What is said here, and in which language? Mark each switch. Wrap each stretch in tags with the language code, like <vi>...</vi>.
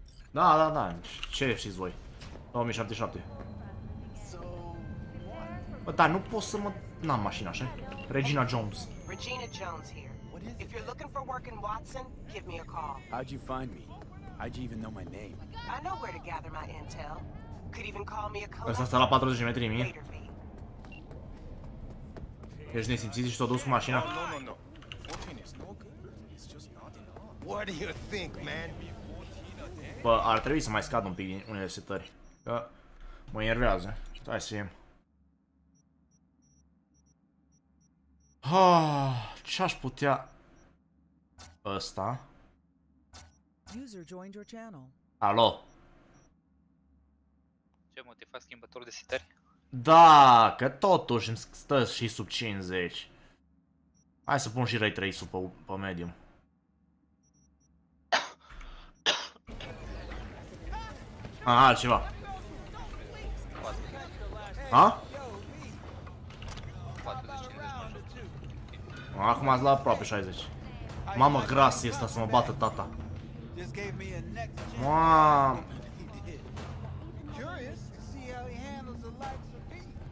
<en>Nah, nah, nah. Chef, she's way. Oh, me, shabdi, shabdi. So, what? But I don't have a machine, right? Regina Jones. Regina Jones here. What is it? If you're looking for work in Watson, give me a call. How'd you find me? How'd you even know my name? I know where to gather my intel. Could even call me a colonel.</en> <ro>Ăsta stă la 40 metri de mine. Ești nesimțit și s-a dus cu mașina.</ro> <en>No, no, no. 14 is no good. It's just not enough. What do you think, man?</en> <ro>Bă, ar trebui să mai scad un pic din unele setări. Că mă enervează. Stai să fim. Ah, ce aș putea... Ăsta...</ro> <en>User joined your channel.</en> <ro>Alo. Ce mă, te faci schimbător de setări? Da, că totuși îmi stă și sub 50. Hai să pun și Ray Trace-ul pe medium. A, altceva. Ha? Acum ați la aproape 60. Mamă, gras este să mă bată tata.</ro> <en>Curious to see how he handles the likes of me.</en>